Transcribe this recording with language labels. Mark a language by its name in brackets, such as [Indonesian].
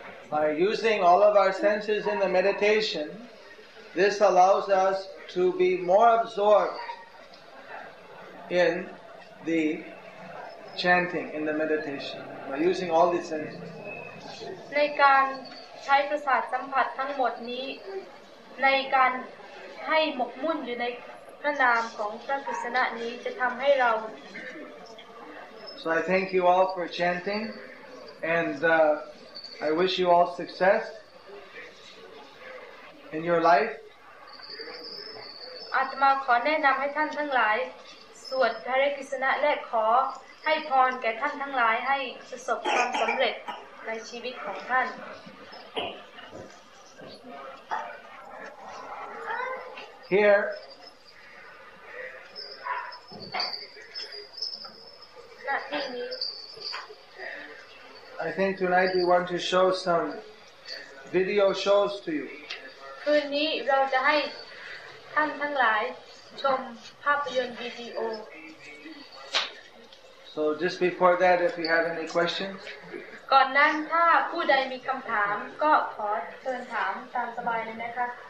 [English] By using all of our senses in the meditation, this allows us to be more absorbed in the chanting, in the meditation, by using all the senses. [Thai] ในการใช้ประสาทสัมผัสทั้งหมดนี้ในการให้หมกมุ่นอยู่ในพระนามของพระกฤษณะนี้จะทำให้เรา [English] So I thank you all for chanting and I wish you all success in your life [Thai] อาตมาขอแนะนำให้ท่านทั้งหลายสวดพระกฤษณะและขอให้พรแก่ท่านทั้งหลายให้ประสบความสำเร็จในชีวิตของท่าน [English] Here, I think tonight we want to show some video shows to you. [Thai] คืนนี้เราจะให้ท่านทั้งหลายชมภาพยนตร์วิดีโ [English] อ So just before that, if you have any questions. [Thai] ก่อนนั้นถ้าผู้ใดมีคำถามก็ขอเชิญถามตามสบายเลยนะคะ